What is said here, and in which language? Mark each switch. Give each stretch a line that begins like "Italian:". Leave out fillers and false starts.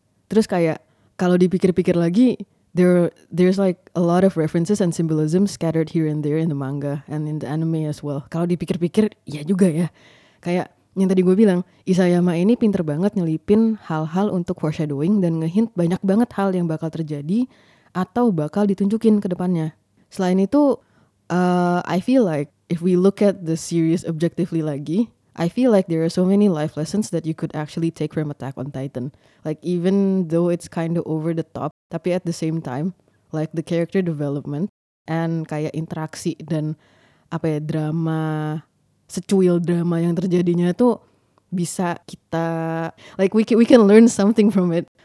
Indonesian: Terus kayak kalau dipikir-pikir lagi,
English: there's like a lot of references and symbolism scattered here and there in the manga and in the anime as well.
Indonesian: Kalau dipikir-pikir, ya juga ya. Kayak yang tadi gue bilang, Isayama ini pinter banget nyelipin hal-hal untuk foreshadowing dan ngehint banyak banget hal yang bakal terjadi atau bakal ditunjukin ke depannya. Selain itu,
English: I feel like if we look at the series objectively lagi, I feel like there are so many life lessons that you could actually take from Attack on Titan. Like even though it's kind of over the top,
Indonesian: tapi
English: at the same time, like the character development and
Indonesian: kayak interaksi dan apa ya, drama, secuil drama yang terjadinya tuh bisa kita,
English: like we can learn something from it.